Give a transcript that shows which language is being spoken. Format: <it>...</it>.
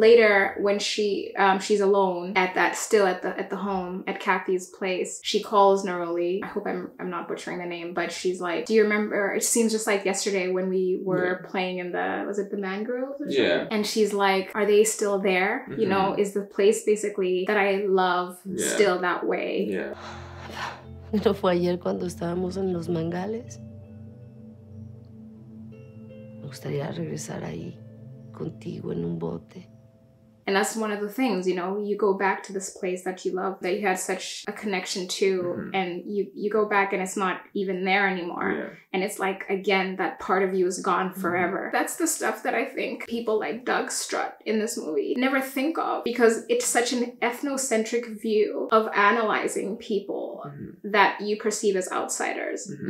<en>Later, when she's alone at that, still at the home at Kathy's place, she calls Neroli. I hope I'm not butchering the name, but she's like, "Do you remember? It seems just like yesterday when we were playing in the, was it the mangroves?" And she's like, "Are they still there? Mm-hmm. You know, is the place basically that I love still that way?" Yeah.</en> <es>No fue ayer cuando estábamos en los mangales. Me gustaría regresar ahí contigo en un bote.</es> <en>And that's one of the things, you know, you go back to this place that you love, that you had such a connection to, and you go back and it's not even there anymore. Yeah. And it's like, again, that part of you is gone forever. Mm-hmm. That's the stuff that I think people like Doug Strutt in this movie never think of, because it's such an ethnocentric view of analyzing people that you perceive as outsiders. Mm-hmm.</en>